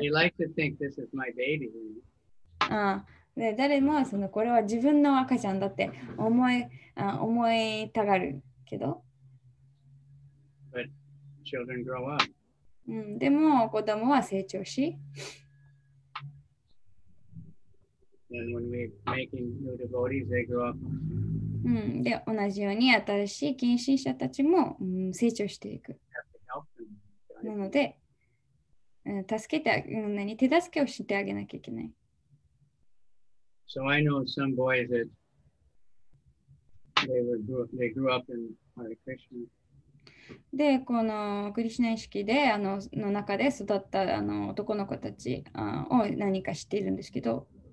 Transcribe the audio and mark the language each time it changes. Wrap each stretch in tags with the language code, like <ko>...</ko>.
<en>They like to think this is my baby.</en> <ja>Ah, で誰もそのこれは自分の赤ちゃんだって思いたがるけど。</ja> <en>But children grow up.</en> <ja>でも子供は成長し。</ja> <en>And when we're making new devotees, they grow up.</en> <ja>で同じように新しい献身者たちも、成長していく。なので、助けて何手助けをしてあげなきゃいけない。</ja> <en>So I know some boys that they grew up in Hare Krishna.</en> <ja>でこのクリシナ意識での中で育った男の子たちを何か知っているんですけど。</ja>